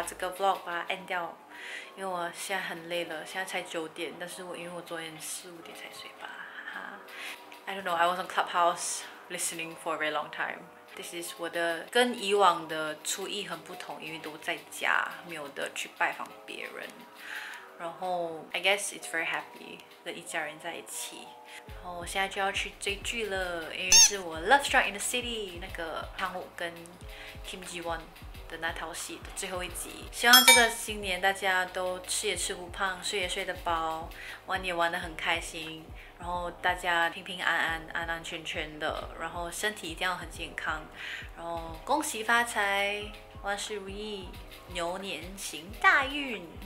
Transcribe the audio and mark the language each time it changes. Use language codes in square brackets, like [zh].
[zh] vlog 把它 end 掉，因为我现在很累了，现在才九点，但是我因为我昨天四五点才睡吧，哈哈。 I don't know, I was on clubhouse listening for a very long time. This is 我的跟以往的初一很不同，因为都在家，没有的去拜访别人。 [en] 然后 I guess it's very happy 跟一家人在一起。 [zh] 然后我现在就要去追剧了，因为是我 Love Struck in the City 那个汤姆跟 Kim Ji Won。的那套戏的最后一集，希望这个新年大家都吃也吃不胖，睡也睡得饱，玩也玩得很开心，然后大家平平安安安安全全的，然后身体一定要很健康，然后恭喜发财，万事如意，牛年行大运。